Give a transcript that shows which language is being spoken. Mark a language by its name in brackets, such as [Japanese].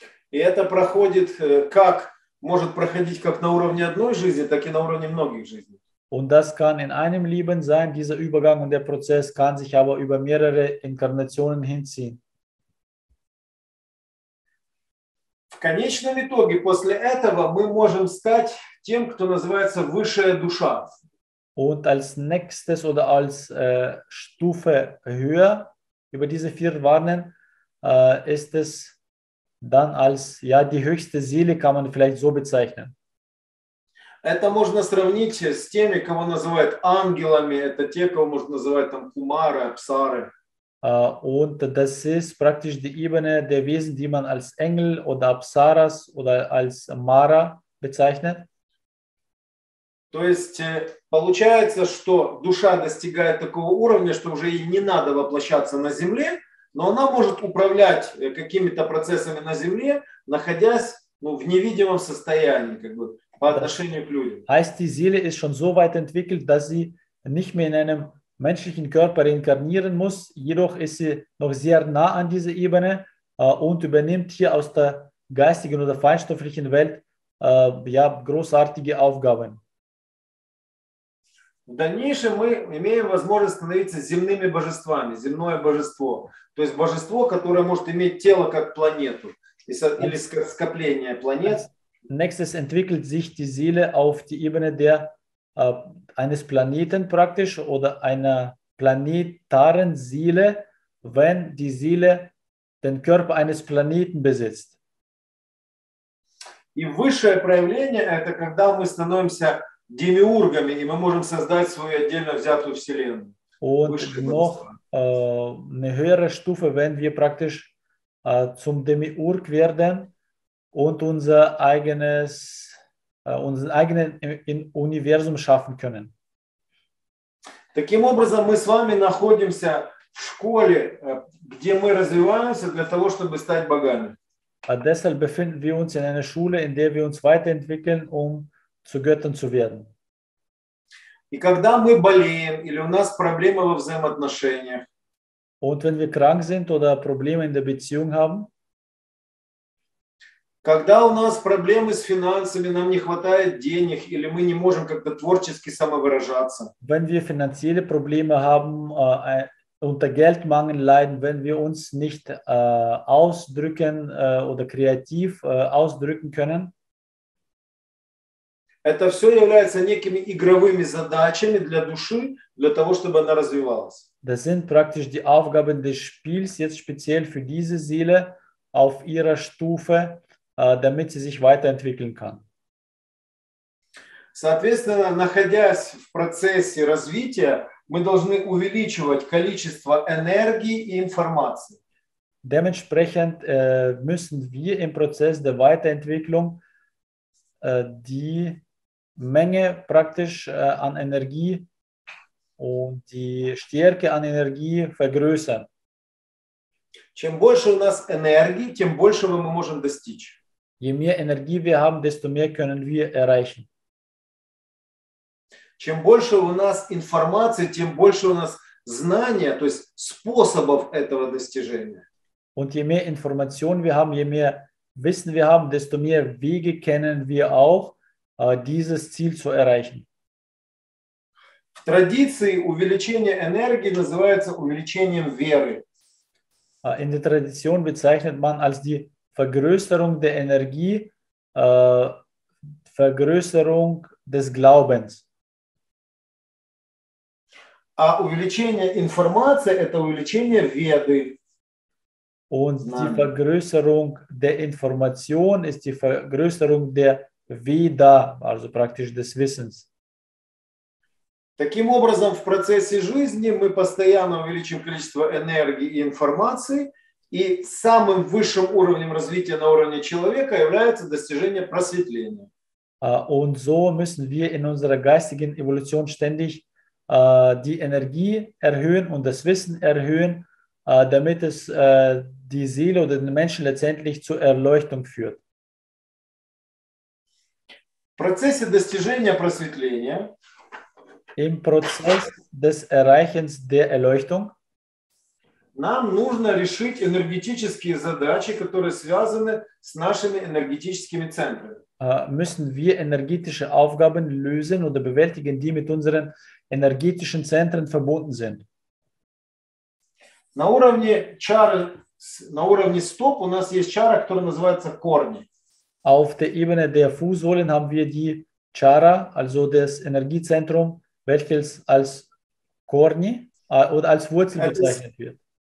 [Russian] И это проходит как может проходить как на уровне одной жизни, так и на уровне многих жизней. [German] Und das kann in einem Leben sein, dieser Übergang und der Prozess kann sich aber über mehrere Inkarnationen hinziehen. [Russian] В конечном итоге после этого мы можем стать тем, кто называется высшая душа. [German] Und als nächstes oder als Stufe höher über diese vier Warnen ist es dann als ja die höchste Seele kann man vielleicht so bezeichnen. [Russian] Это можно сравнить с теми, кого называют ангелами, это те, кого можно называть там кумары, апсары. [German] Und das ist praktisch die Ebene der Wesen, die man als Engel oder Apsaras oder als Mara bezeichnet. [Russian] То есть получается, что душа достигает такого уровня, что уже ей не надо воплощаться на земле, но она может управлять какими-то процессами на земле, находясь ну, в невидимом состоянии, как бы, по отношению к людям. [German] Heißt, die Seele ist schon so weit entwickelt, dass sie nicht mehr in einem menschlichen Körper reinkarnieren muss, jedoch ist sie noch sehr nah an dieser Ebene und übernimmt hier aus der geistigen oder feinstofflichen Welt ja, großartige Aufgaben. [Russian] В дальнейшем мы имеем возможность становиться земными божествами, земное божество. То есть божество, которое может иметь тело как планету или скопление планет. [German] Nächstes entwickelt sich die Seele auf die Ebene der, eines Planeten praktisch oder einer planetaren Seele, wenn die Seele den Körper eines Planeten besitzt. [Russian] И высшее проявление – это когда мы становимся демиургами, и мы можем создать свою отдельно взятую вселенную. [German] Und noch eine höhere Stufe, wenn wir praktisch zum Demiurg werden und unser eigenes, unseren eigenen Universum schaffen können. [Russian] Таким образом, мы с вами находимся в школе, где мы развиваемся для того, чтобы стать богами. [German] Deshalb befinden wir uns in einer Schule, in der wir uns weiterentwickeln, um zu Göttern zu werden. [Russian] И когда мы болеем или у нас проблемы во взаимоотношениях, [German] und wenn wir krank sind oder Probleme in der Beziehung haben, [Russian] когда у нас проблемы с финансами, нам не хватает денег или мы не можем как-то творчески самовыражаться, [German] wenn wir finanzielle Probleme haben, unter Geldmangel leiden, wenn wir uns nicht ausdrücken oder kreativ ausdrücken können, [Russian] это все является некими игровыми задачами для души, для того, чтобы она развивалась. [German] Das sind praktisch die Aufgaben des Spiels jetzt speziell für diese Seele auf ihrer Stufe, damit sie sich weiterentwickeln kann. [Russian] Соответственно, находясь в процессе развития, мы должны увеличивать количество энергии и информации. [German] Dementsprechend müssen wir im Prozess der Weiterentwicklung die Menge praktisch an Energie und die Stärke an Energie vergrößern. [Russian] Чем больше у нас энергии, тем большего мы можем достичь. [German] Je mehr Energie wir haben, desto mehr können wir erreichen. [Russian] Чем больше у нас информации, тем больше у нас знания, то есть способов этого достижения. [German] Und je mehr Informationen wir haben, je mehr Wissen wir haben, desto mehr Wege kennen wir auch, dieses Ziel zu erreichen. [Russian] В традиции увеличение энергии называется увеличением веры. [German] In der Tradition bezeichnet man als die Vergrößerung der Energie, Vergrößerung des Glaubens. [Russian] А увеличение информации – это увеличение веры. [German] Und die Vergrößerung der Information ist die Vergrößerung der Veda, also praktisch des Wissens. [Russian] Таким образом, в процессе жизни мы постоянно увеличим количество энергии и информации, и самым высшим уровнем развития на уровне человека является достижение просветления. [German] Und so müssen wir in unserer geistigen Evolution ständig die Energie erhöhen und das Wissen erhöhen, damit es die Seele oder den Menschen letztendlich zur Erleuchtung führt. [Russian] В процессе достижения просветления, [German] im Prozess des Erreichens der Erleuchtung, [Russian] Нам нужно решить энергетические задачи, которые связаны с нашими энергетическими центрами. [German] Müssen wir energetische Aufgaben lösen oder bewältigen, die mit unseren energetischen Zentren verbunden sind? [Russian] На уровне чары, на уровне стоп у нас есть чара, которая называется корни. [German] Auf der Ebene der Fußsohlen haben wir die Chara, also das Energiezentrum, welches als корни oder als Wurzel bezeichnet wird.